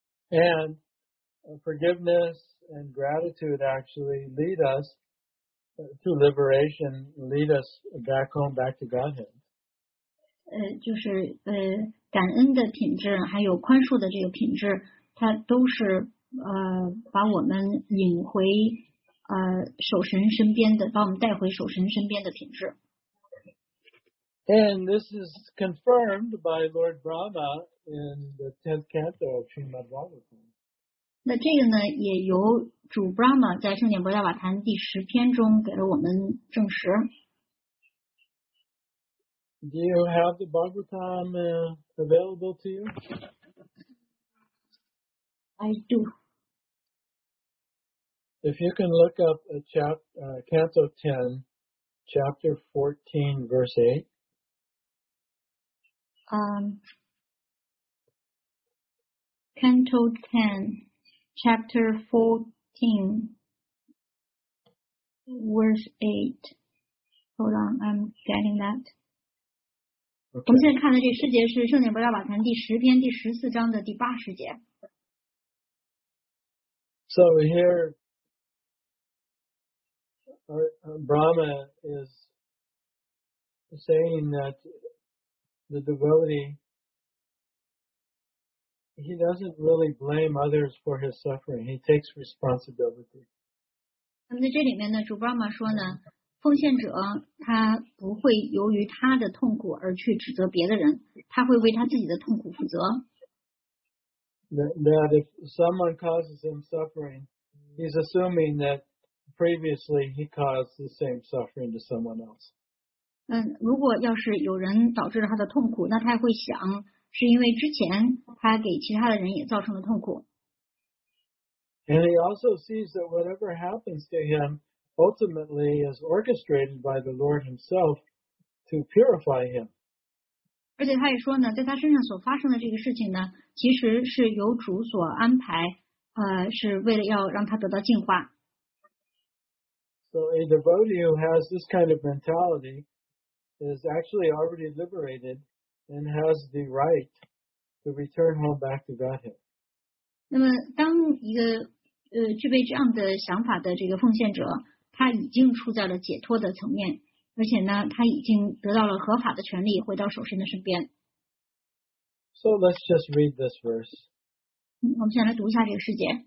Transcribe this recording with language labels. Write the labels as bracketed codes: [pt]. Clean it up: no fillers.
[en] And forgiveness and gratitude actually lead us to liberation, lead us back home, back to Godhead. [zh] 就是感恩的品质，还有宽恕的这个品质，它都是把我们引回守神身边的，把我们带回守神身边的品质。 [en] And this is confirmed by Lord Brahma in the 10th canto of Srimad Bhagavatam. [zh] 那这个呢，也由主 Brahma 在《圣典波罗瓦坛》第十篇中给了我们证实。 [en] Do you have the Bhagavatam available to you? I do. If you can look up a chapter, canto 10, chapter 14, verse 8. Canto 10, chapter 14, verse 8. Hold on, I'm getting that. [zh] 我们现在看的这十节是《圣典波罗瓦坛》第十篇第十四章的第八十节。 [en] So here, Brahma is saying that. The devotee, he doesn't really blame others for his suffering. He takes responsibility. [zh] 那么在这里面呢，主 Brahma 说呢，奉献者他不会由于他的痛苦而去指责别的人，他会为他自己的痛苦负责。 [en] That if someone causes him suffering, he's assuming that previously he caused the same suffering to someone else. [zh] 如果要是有人导致了他的痛苦，那他也会想，是因为之前他给其他的人也造成了痛苦。 [en] And he also sees that whatever happens to him ultimately is orchestrated by the Lord himself to purify him. [zh] 而且他也说呢，在他身上所发生的这个事情呢，其实是由主所安排，是为了要让他得到净化。 [en] So a devotee who has this kind of mentality. Is actually already liberated and has the right to return home back to Godhead. [zh] 那么当一个具备这样的想法的这个奉献者，他已经处在了解脱的层面，而且呢，他已经得到了合法的权利回到守神的身边。 [en] So let's just read this verse. [zh] 我们先来读一下这个释节。